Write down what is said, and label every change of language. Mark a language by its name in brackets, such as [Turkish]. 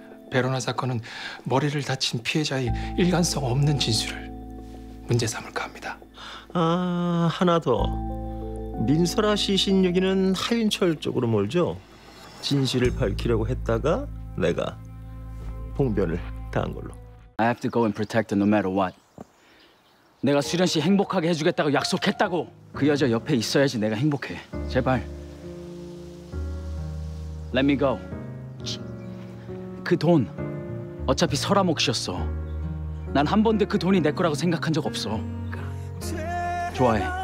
[Korean] 베로나 사건은 머리를 다친 피해자의 일관성 없는 진술을 문제 삼을까 합니다. 아, 하나 더. 민설아 시신 여기는 하윤철 쪽으로 몰죠. 진실을 밝히려고 했다가 내가 봉변을 당한 걸로. [English] I have to go and protect her no matter what. [Korean] 내가 수련 씨 행복하게 해주겠다고 약속했다고. 그 여자 옆에 있어야지 내가 행복해. 제발. [English] Let me go. [Korean] 그 돈 어차피 설아 몫이었어. 난 한 번도 그 돈이 내 거라고 생각한 적 없어. 좋아해.